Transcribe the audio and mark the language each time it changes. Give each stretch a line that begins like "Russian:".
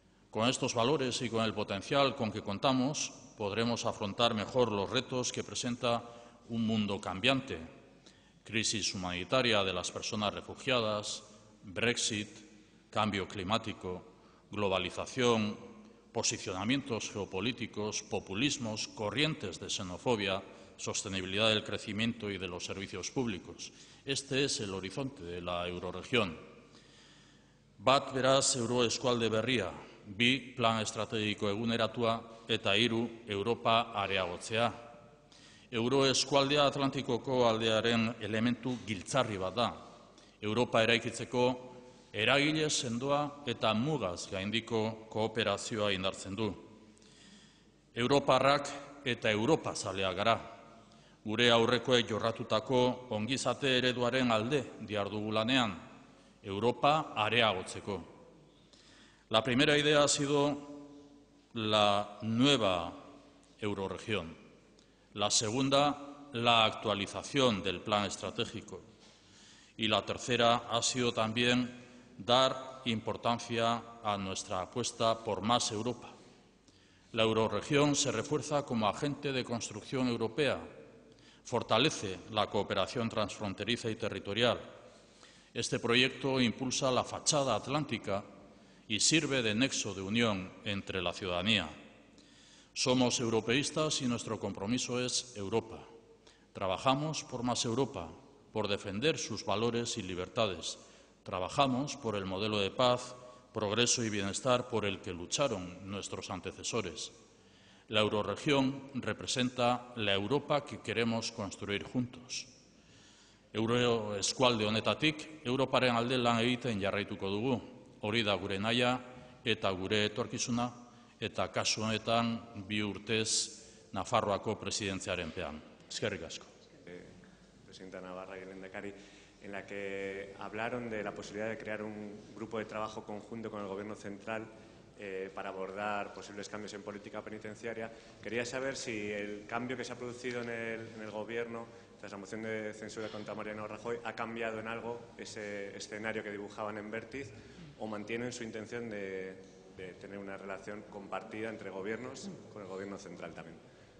Spanish: Con estos valores y con el potencial con que contamos, podremos afrontar mejor los retos que presenta un mundo cambiante: crisis humanitaria de las personas refugiadas, Brexit, cambio climático, globalización, posicionamientos geopolíticos, populismos, corrientes de xenofobia, sostenibilidad del crecimiento y de los servicios públicos. Este es el horizonte de la euroregión.
Basque: Bat beraz euroeskualde berria, bi plan estrategiko eguneratua eta hiru Europa areagotzea. Euroeskualdea Atlantikoko aldearen elementu giltzarri bat da. Europa eraikitzeko eragile sendoa eta mugaz gaindiko kooperazioa indartzen du. Europarrak eta Europa zalea gara. Gure aurrekoek jorratutako ongizate ereduaren alde dihardugu lanean, Europa areagotzeko.
Spanish: La primera idea ha sido la nueva euroregión. La segunda, la actualización del plan estratégico. Y la tercera ha sido también dar importancia a nuestra apuesta por más Europa. La euroregión se refuerza como agente de construcción europea, fortalece la cooperación transfronteriza y territorial. Este proyecto impulsa la fachada atlántica y sirve de nexo de unión entre la ciudadanía. Somos europeístas y nuestro compromiso es Europa. Trabajamos por más Europa, por defender sus valores y libertades. Trabajamos por el modelo de paz, progreso y bienestar por el que lucharon nuestros antecesores. La euroregión representa la Europa que queremos construir juntos.
Basque: Euroeskualde honetatik, Europaren alde lan egiten jarraituko dugu. Hori da gure nahia eta gure etorkizuna, eta kasu honetan bi urtez Nafarroako presidentziaren pean. Eskerrik asko.
Spanish: Presidenta Navarra y el lehendakari, en la que hablaron de la posibilidad de crear un grupo de trabajo conjunto con el gobierno central para abordar posibles cambios en política penitenciaria, quería saber si el cambio que se ha producido en el gobierno tras la moción de censura contra Mariano Rajoy ha cambiado en algo ese escenario que dibujaban en Vértiz, o mantienen su intención de tener una relación compartida entre gobiernos con el gobierno central también.